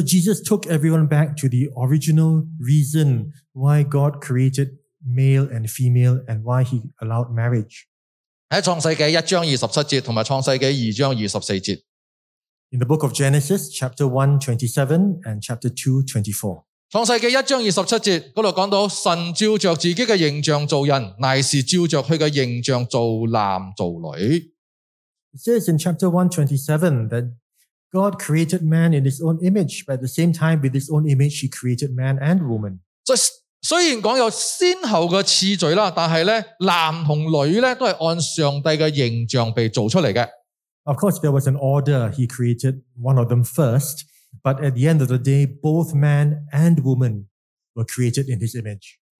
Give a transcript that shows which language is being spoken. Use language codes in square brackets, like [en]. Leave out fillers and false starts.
[en] Jesus took everyone back to the original reason why God created male and female and why he allowed marriage. [zh] 在创世纪1章27节和创世纪2章24节。 [en] In the book of Genesis, chapter 1:27 and chapter 2:24. It says in chapter 1:27 that God created man in his own image, but at the same time, with his own image, he created man and woman. [zh] 虽然讲有先后的次序，但是男和女都是按上帝的形象被做出来的。 [en] Of course, there was an order. He created one of them first. But at the end of the day, both man and woman were created in his image.